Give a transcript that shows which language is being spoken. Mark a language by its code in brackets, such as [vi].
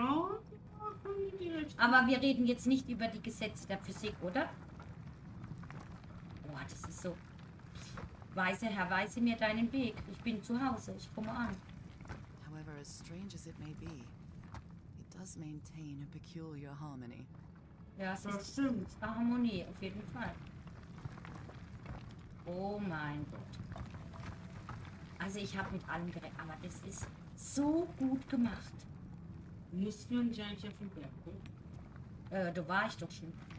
[de] da kann ich aber wir reden jetzt nicht über die Gesetze der Physik, oder? Boah, das ist so... Weise Herr, weise mir deinen Weg. Ich bin zu Hause. Ich komme an. [en] However, as strange as it may be, it does maintain a peculiar harmony. [de] Ja, es ist Harmonie, auf jeden Fall. Oh mein Gott. Also ich habe mit allem gerechnet, aber das ist so gut gemacht. Müssen wir uns eigentlich auf den Berg gucken? Da war ich doch schon.